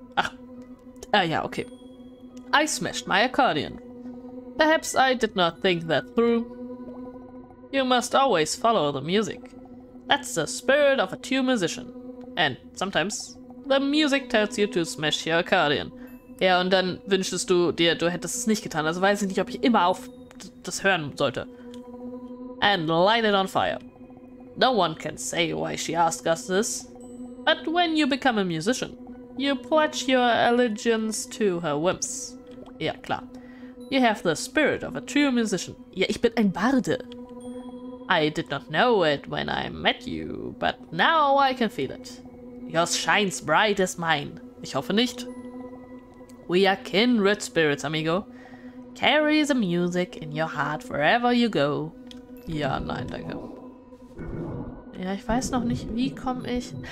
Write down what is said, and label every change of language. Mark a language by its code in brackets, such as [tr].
[de] Ach, ja, okay. [en] I smashed my accordion. Perhaps I did not think that through. You must always follow the music. That's the spirit of a true musician. And sometimes the music tells you to smash your accordion. [de] Ja, und dann wünschst du dir, du hättest es nicht getan. Also weiß ich nicht, ob ich immer auf das hören sollte. [en] And light it on fire. No one can say why she asked us this. But when you become a musician, you pledge your allegiance to her whims. [de] Ja, klar. [en] You have the spirit of a true musician. [de] Ja, ich bin ein Barde. [en] I did not know it when I met you, but now I can feel it. Yours shines bright as mine. [de] Ich hoffe nicht. [en] We are kindred spirits, amigo. Carry the music in your heart wherever you go. [de] Ja, nein, danke. Ja, ich weiß noch nicht, wie komme ich...